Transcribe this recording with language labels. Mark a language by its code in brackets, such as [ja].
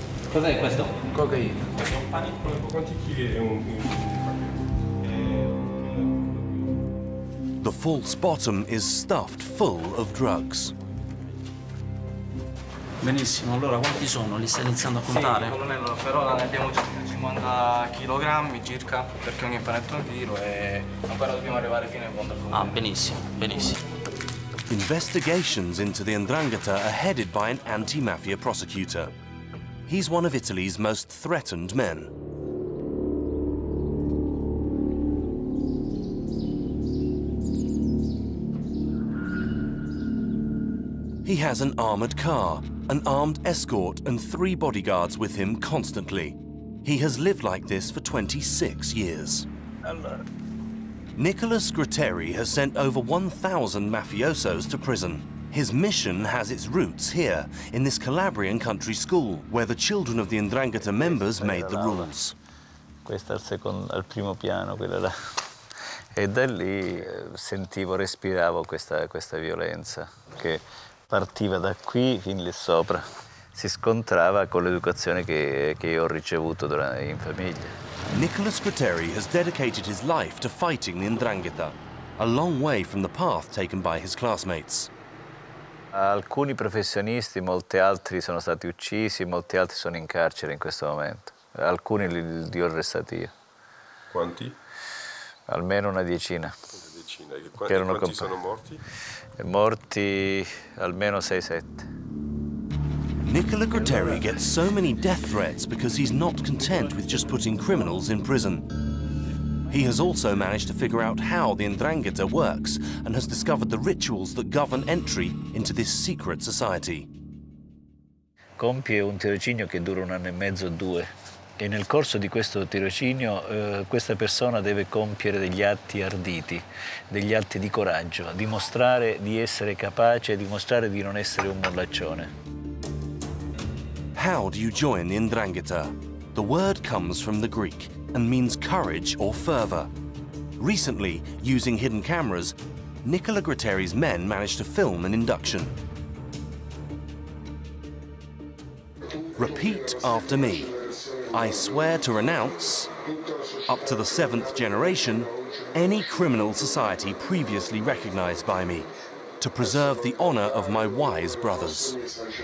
[it] Cos'è questo? Cocaina. [en] The false bottom is stuffed full of drugs. [it] Benissimo, allora quanti sono? Li stai iniziando a contare? Sì, colonnello, però ne abbiamo già 50 kg circa, perché ogni panettone di tiro e ancora dobbiamo arrivare fino in fondo al problema. Ah, benissimo, benissimo. [en] Investigations into the Ndrangheta are headed by an anti-mafia prosecutor. He's one of Italy's most threatened men. He has an armored car, an armed escort, and three bodyguards with him constantly. He has lived like this for 26 years. Hello. Nicholas Gratteri has sent over 1,000 mafiosos to prison. His mission has its roots here, in this Calabrian country school, where the children of the Ndrangheta members made the rules. [it] Questo è il secondo, al primo piano, quella là. E da lì sentivo, respiravo questa violenza che partiva da qui fin lì sopra. Si scontrava con l'educazione che io ho ricevuto in famiglia. [en] Nicholas Gratteri has dedicated his life to fighting the Ndrangheta, a long way from the path taken by his classmates. [it] Alcuni professionisti, molti altri sono stati uccisi, molti altri sono in carcere in questo momento. Alcuni li ho arrestati io. Quanti? Almeno una decina. Una decina. Quanti sono morti? Morti almeno 6-7. [en] Nicola Gratteri gets so many death threats because he's not content with just putting criminals in prison. He has also managed to figure out how the Ndrangheta works and has discovered the rituals that govern entry into this secret society. [it] Compie un tirocinio che dura un anno e mezzo, due. E nel corso di questo tirocinio, questa persona deve compiere degli atti arditi, degli atti di coraggio, dimostrare di essere capace, dimostrare di non essere un mollaccione. [en] How do you join the Ndrangheta? The word comes from the Greek and means courage or fervor. Recently, using hidden cameras, Nicola Gratteri's men managed to film an induction. Repeat after me. I swear to renounce, up to the seventh generation, any criminal society previously recognized by me, to preserve the honor of my wise brothers.